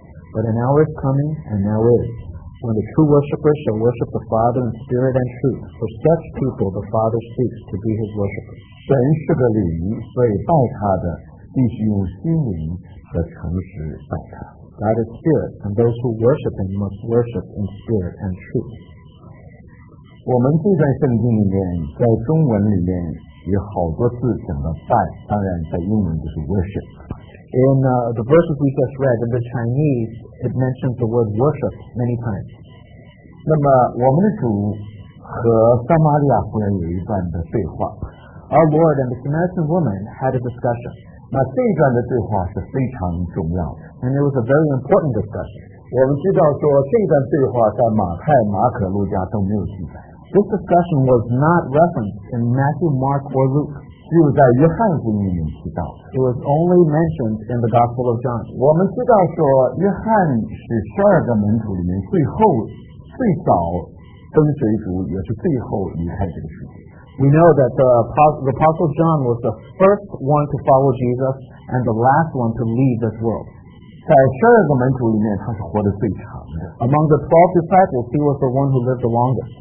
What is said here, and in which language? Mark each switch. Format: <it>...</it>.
<en>But an hour is coming, and now is, when the true worshippers shall worship the Father in spirit and truth. For such people the Father seeks to be his worshippers.</en> <zh>神是个礼仪，所以拜他的必须用心灵和诚实拜他。</zh> <en>God is spirit, and those who worship him must worship in spirit and truth.</en> <zh>我们这段圣经里面，在中文里面有好多字讲到拜，当然在英文就是 worship。</zh> <en>In the verses we just read in the Chinese, it mentions the word worship many times.</en> <zh>那么我们的主和撒玛利亚妇人有一段的对话。</zh> <en>Our Lord and the Samaritan woman had a discussion.</en> <zh>那这一段的对话是非常重要的。</zh> <en>And it was a very important discussion.</en> <zh>我们知道说这一段对话在马太、马可、路加都没有记载。</zh> <en>This discussion was not referenced in Matthew, Mark, or Luke.</en> <zh>只有在约翰福音里面提到。</zh> <en>It was only mentioned in the Gospel of John.</en> <zh>我们知道说约翰是十二个门徒里面最后最早跟随主，也是最后离开这个世界。</zh> <en>We know that the Apostle John was the first one to follow Jesus and the last one to leave this world.</en> <zh>在十二个门徒里面，他是活得最长的。</zh> <en>Among the 12 disciples, he was the one who lived the longest.</en>